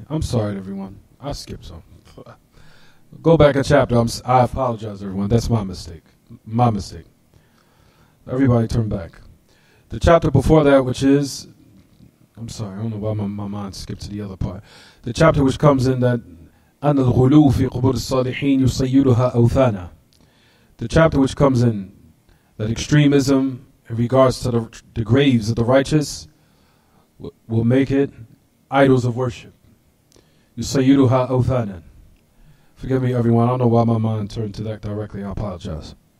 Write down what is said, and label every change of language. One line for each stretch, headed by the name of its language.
English: I'm sorry, everyone. I skipped some. Go back a chapter. I apologize, everyone. That's my mistake. My mistake. Everybody turn back. The chapter before that, which is... I'm sorry. I don't know why my mind skipped to the other part. The chapter which comes in that...
Arabic: أن الغلو في قبور الصالحين يصيرها أوثانا.
English: The chapter which comes in that extremism in regards to the graves of the righteous will make it idols of worship.
Arabic: يصيرها أوثانا.
English: Forgive me, everyone. I don't know why my mind turned to that directly. I apologize.